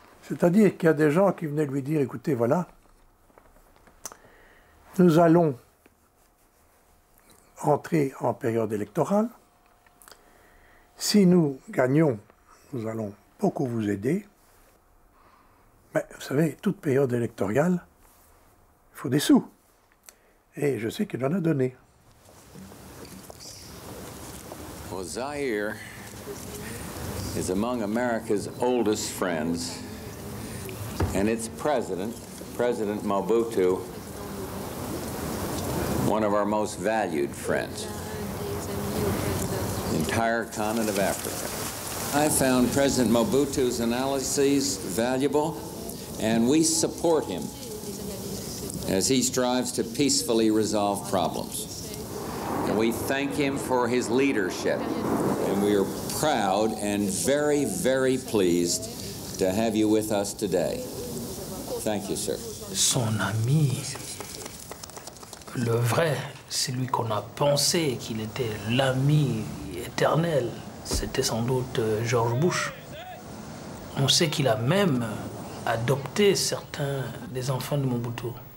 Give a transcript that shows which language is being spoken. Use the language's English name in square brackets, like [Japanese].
[French] C'est-à-dire qu'il y a des gens qui venaient lui dire, écoutez, voilà, nous allons entrer en période électorale. Si nous gagnons, nous allons beaucoup vous aider. Mais vous savez, toute période électorale, il faut des sous. Et je sais qu'il en a donné. [English] Well, Zaire is among America's oldest friends, and its president, President Mobutu, one of our most valued friends. In entire continent of Africa. I found President Mobutu's analyses valuable, and we support him as he strives to peacefully resolve problems. And we thank him for his leadership, and we are proud and very, very pleased to have you with us today. Thank you, sir. [French] Son ami, le vrai, celui qu'on a pensé qu'il était l'ami éternel, c'était sans doute George Bush. On sait qu'il a même adopté certains des enfants de Mobutu.